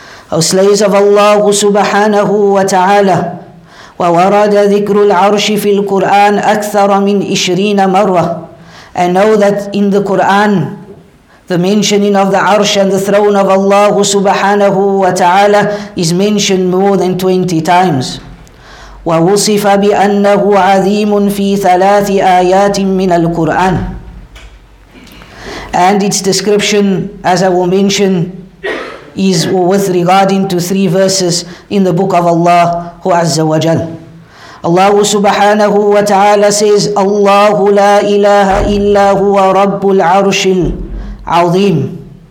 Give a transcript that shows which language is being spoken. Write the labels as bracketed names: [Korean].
[English] O slaves of Allah subhanahu wa ta'ala, [Arabic] وَوَرَدَ ذِكْرُ الْعَرْشِ فِي الْقُرْآنِ أَكْثَرَ مِنْ 20 مَرَّةً. [English] And know that in the Quran, the mentioning of the arsh and the throne of Allah subhanahu wa ta'ala is mentioned more than 20 times. [Arabic] ووصف بأنه عظيم في ثلاث آيات من القرآن. [English] And its description, as I will mention, is with regarding to three verses in the book of Allah عز وجل. [Arabic] Allah سبحانه وتعالى says, الله لا إله إلا هو رب العرش العظيم.